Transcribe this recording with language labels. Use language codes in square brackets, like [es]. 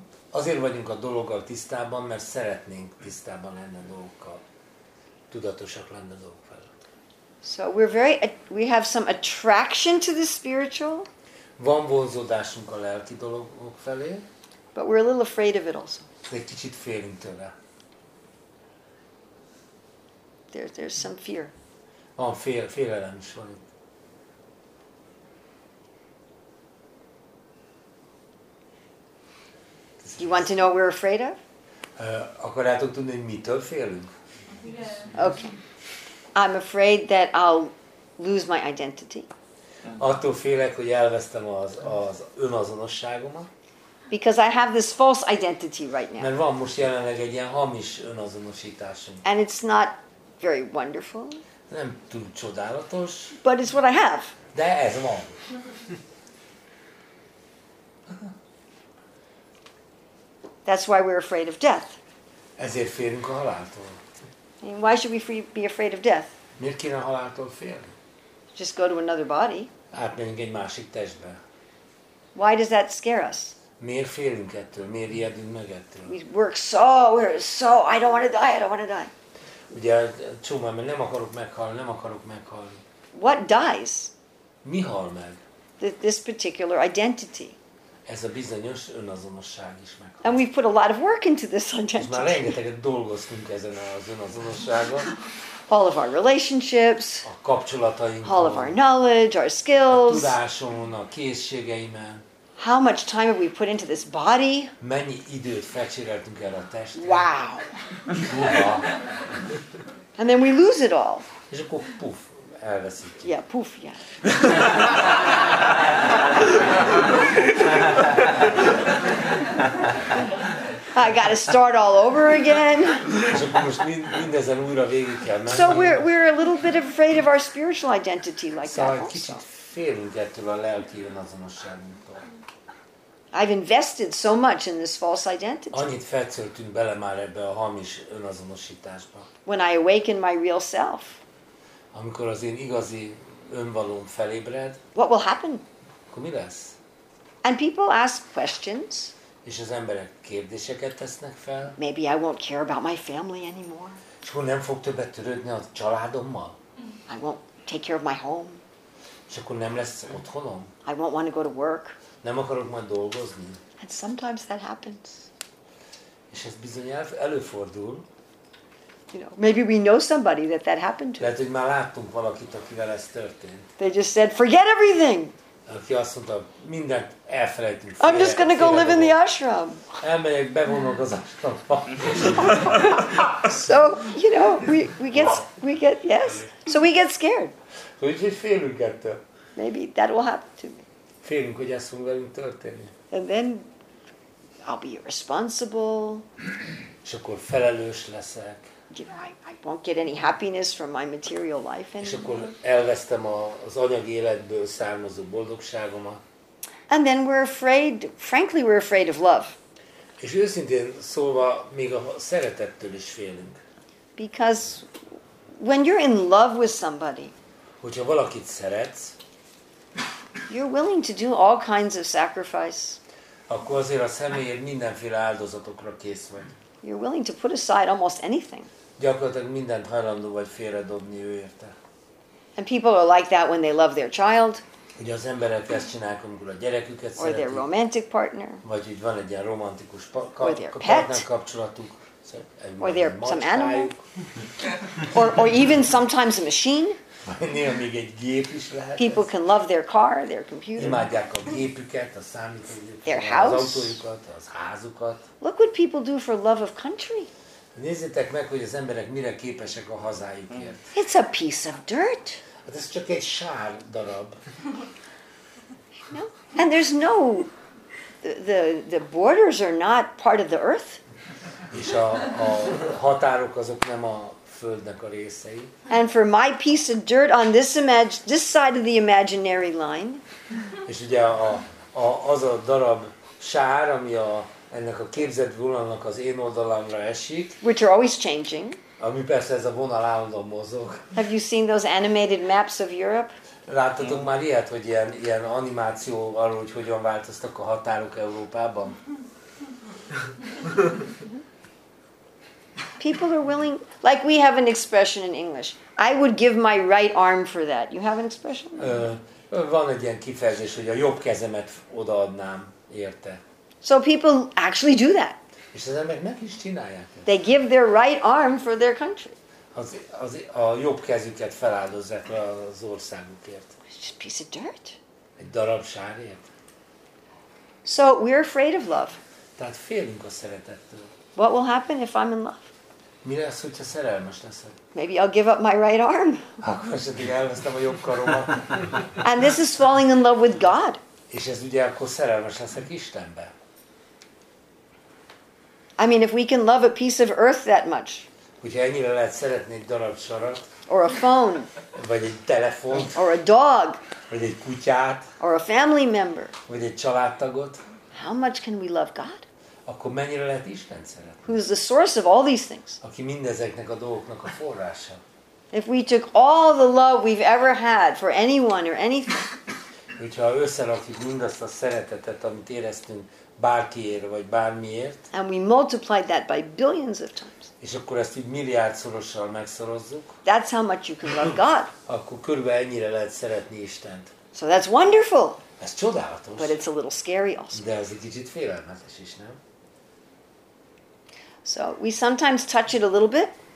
[hu] Azért vagyunk a dologgal tisztában, mert szeretnénk tisztában lenni a dolgokkal. Tudatosak lenni a dolgok felett. [en] So we're very, we have some attraction to the spiritual. [hu] Van vonzódásunk a lelki dologok felé. [en] But we're a little afraid of it also. [hu] De kicsit félünk tőle. [en] There's some fear. [hu] Van félelem is van itt. [en] Do you want to know what we're afraid of? [hu] Akarjátok tudni, hogy mitől félünk? [en] Yeah. Okay. I'm afraid that I'll lose my identity. [hu] Attól félek, hogy elvesztem az önazonosságomat. [en] Because I have this false identity right now. [hu] Mert van most jelenleg egy ilyen hamis önazonosításom. [en] And it's not very wonderful. [hu] Nem túl csodálatos. [en] But it's what I have. [hu] De ez van. [en] That's why we're afraid of death. [hu] Ezért félünk a haláltól. [en] And why should we be afraid of death? [hu] Miért kéne a haláltól félni? [en] Just go to another body. [hu] Átmenjünk egy másik testbe. [en] Why does that scare us? [hu] Miért félünk ettől? Miért ijedünk meg ettől? [en] We work so, we're so, I don't want to die, I don't want to die. [hu] Ugye, csomó, mert nem akarok meghalni, nem akarok meghalni. [en] What dies? [hu] Mi hal meg? [en] This particular identity. [hu] Ez a bizonyos önazonosság is meghal. [en] And we put a lot of work into this identity. [hu] Már rengeteget dolgoztunk ezen az önazonosságon. [en] All of our relationships. [hu] A kapcsolataink. [en] All of our knowledge, our skills. [hu] A tudáson, a készségeimen. [en] How much time have we put into this body? [hu] Mennyi időt fecséreltünk el a testre? [en] Wow. And then we lose it all. [hu] És akkor puf, elveszítjük. [en] Yeah, puf, yeah. I gotta start all over again. [hu] És akkor most mindezen újra végig kell menni. [en] So we're a little bit afraid of our spiritual identity like [hu] szóval [en] that. [hu] Kicsit félünk ettől a lelki önazonosságunktól. [en] I've invested so much in this false identity. [hu] Annyit feltöltünk bele már ebbe a hamis önazonosításba. [en] When I awaken my real self. [hu] Amikor az én igazi önvalóm felébred. [en] What will happen? [hu] Akkor mi lesz? [en] And people ask questions. [hu] És az emberek kérdéseket tesznek fel. [en] Maybe I won't care about my family anymore. [hu] És akkor nem fog többet törődni a családommal. [en] I won't take care of my home. [hu] És akkor nem lesz otthonom. [en] I won't want to go to work. [hu] Nem akarok majd dolgozni. [en] And sometimes that happens. [hu] És ez bizony előfordul. [en] You know, maybe we know somebody that happened to. [hu] Lehet, hogy már láttunk valakit, akivel ez történt. [en] They just said, forget everything. [hu] Aki azt mondta, mindent elfelejtünk. [en] I'm just gonna go live in the ashram. [hu] Elmegyek, bevonok az ashramba. [en] So, you know, we get yes. So we get scared. [hu] Úgyhogy félünk ettől. [en] Maybe that will happen to me. [hu] Félünk, hogy ezt fog velünk történni. [en] And then I'll be responsible. [hu] És akkor felelős leszek. [en] You know, I won't get any happiness from my material life anymore. [hu] És akkor elvesztem az anyagi életből származó boldogságomat. [en] And then we're afraid, frankly we're afraid of love. [hu] És őszintén szólva, még a szeretettől is félünk. [en] Because when you're in love with somebody, [hu] hogyha valakit szeretsz, [en] you're willing to do all kinds of sacrifice. [hu] Akkor azért a személyért mindenféle áldozatokra kész vagy. [en] You're willing to put aside almost anything. [hu] Gyakorlatilag mindent hajlandó vagy félredobni ő érte. [en] And people are like that when they love their child. [hu] Ugye az emberek ezt csinálják, amikor a gyereküket szeretik. [en] Or their romantic partner. [hu] Vagy hogy van egy ilyen romantikus partner kapcsolatuk. [en] Or their some animal. or even sometimes a machine. [hu] Néha még egy gép is lehet. [en] People can love their car, their computer. [hu] Imádják a gépüket, a számítógépüket, [en] their house. [hu] Az autójukat, az házukat. [en] Look what people do for love of country. [hu] Nézzétek meg, hogy az emberek mire képesek a hazájukért. [en] It's a piece of dirt. [hu] Hát ez csak egy sár darab. [en] No. And there's no, the borders are not part of the earth. [hu] És a határok azok nem a földnek a részei. [en] And for my piece of dirt on this side of the imaginary line. [hu] És ugye az a darab sár, ami ennek a képzett vonalnak az én oldalamra esik. [en] Which are always changing. [hu] Ami persze ez a vonal állandóan mozog. [en] Have you seen those animated maps of Europe? [hu] Láttatok már ilyet, hogy ilyen animáció arról, hogy hogyan változtak a határok Európában? [en] People are willing, like we have an expression in English. I would give my right arm for that. You have an expression? [hu] Van egy ilyen kifejezés, hogy a jobb kezemet odaadnám érte. [en] So people actually do that. [hu] És az emberek meg is csinálják. [en] They give their right arm for their country. [hu] A jobb kezüket feláldozzák az országukért. [en] It's just a piece of dirt. [hu] Egy darab sárért. [en] So we're afraid of love. [hu] Tehát félünk a szeretettől. [en] What will happen if I'm in love? [hu] Mi lesz, hogyha szerelmes leszek? [en] Maybe I'll give up my right arm. [hu] Akkor esetleg elvesztem a jobb karomat. [en] And this is falling in love with God. [hu] És ez ugye akkor szerelmes leszek Istenbe. [en] I mean, if we can love a piece of earth that much. [hu] Hogyha ennyire lehet szeretni egy darab sarat. [en] Or a phone. [hu] Vagy egy telefont. [en] Or a dog. [hu] Vagy egy kutyát. [en] Or a family member. [hu] Vagy egy családtagot. [en] How much can we love God? [hu] Akkor mennyire lehet Isten szeretni? [en] Who's the source of all these things? [hu] Aki mindezeknek a dolgoknak a forrása. [en] If we took all the love we've ever had for anyone or anything. [hu] Hogyha összerakjuk mindazt a szeretetet, amit éreztünk bárkiért vagy bármiért. [en] And we multiplied that by billions of times. [hu] És akkor ezt így milliárdszorossal megszorozzuk. [en] That's how much you can love God. [hu] Akkor körülbelül ennyire lehet szeretni Istent. [en] So that's wonderful. [hu] Ez csodálatos. [en] But it's a little scary also. [hu] De ez egy kicsit félelmetes is, nem? [en] So we sometimes touch it a little bit.